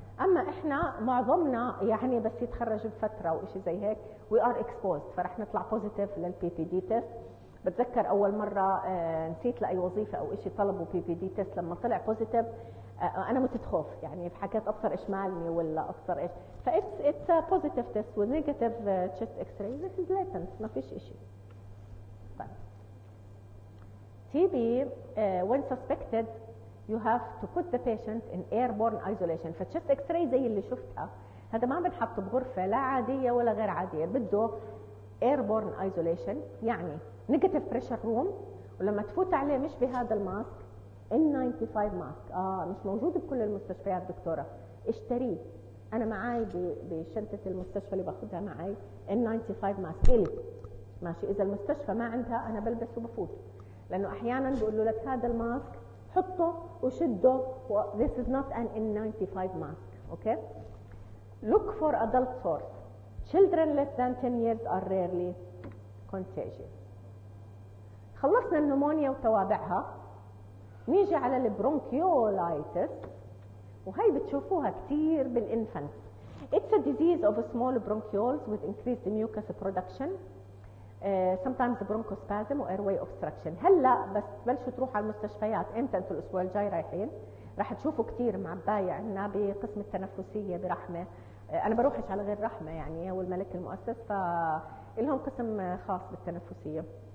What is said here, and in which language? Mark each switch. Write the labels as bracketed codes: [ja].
[ar] اما احنا معظمنا يعني بس يتخرج بفتره وإشي زي هيك [en] we are exposed، [ar] فرح نطلع positive لل PPD test. بتذكر اول مره نسيت لاي وظيفه او إشي طلبوا PPD test، لما طلع positive انا متخوف يعني حكيت ابصر ايش مالني ولا ابصر ايش. [en] ف it's a positive test with negative chest x-ray this is latent، [ar] ما فيش إشي. [en] TB when suspected you have to put the patient in airborne isolation. [ar] فالتشست اكس راي زي اللي شفتها هذا ما بنحطه بغرفه لا عاديه ولا غير عاديه، بده airborne isolation يعني negative pressure room. ولما تفوت عليه مش بهذا الماسك N95 ماسك، مش موجود بكل المستشفيات دكتوره، اشتريه. انا معي بشنطه المستشفى اللي باخذها معي N95 ماسك الي. ماشي. اذا المستشفى ما عندها انا بلبس وبفوت، لانه احيانا بيقولوا لك هذا الماسك حطه وشده [en] this is not an N95 mask. Okay. look for adult source. children less than 10 years are rarely contagious. [ar] خلصنا النمونيا وتوابعها، نيجي على البرونكيولايتس، وهي بتشوفوها كثير بالانفنت. [en] it's a disease of small bronchioles with increased mucus production. sometimes bronchospasm or airway obstruction. [ar] هلا بس بلشوا تروح على المستشفيات، امتى؟ انتوا الاسبوع الجاي رايحين راح تشوفوا كثير معباية عندنا بقسم التنفسية برحمة. انا بروحش على غير رحمة يعني والملك المؤسس، فلهم قسم خاص بالتنفسية.